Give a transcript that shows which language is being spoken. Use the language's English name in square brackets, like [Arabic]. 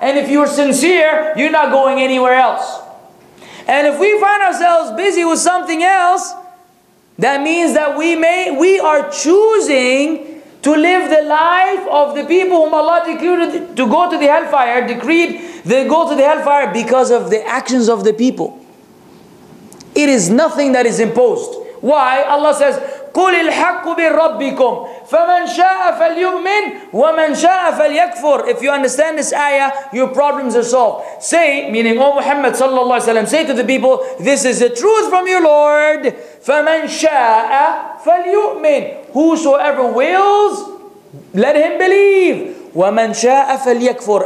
[English] And if you're sincere, you're not going anywhere else. And if we find ourselves busy with something else, that means that we are choosing to live the life of the people whom Allah decreed to go to the hellfire, decreed they go to the hellfire because of the actions of the people. It is nothing that is imposed. Why? Allah says, [Arabic] قل الحق بربكم فمن شاء فليؤمن ومن شاء فليكفر. [English] If you understand this ayah, your problems are solved. Say, meaning, O Muhammad sallallahu alaihi wasallam, say to the people, this is the truth from your Lord. [Arabic] فمن شاء فليؤمن. [English] Whosoever wills, let him believe. [Arabic] وَمَنْ شَاءَ فَلْيَكْفُرُ.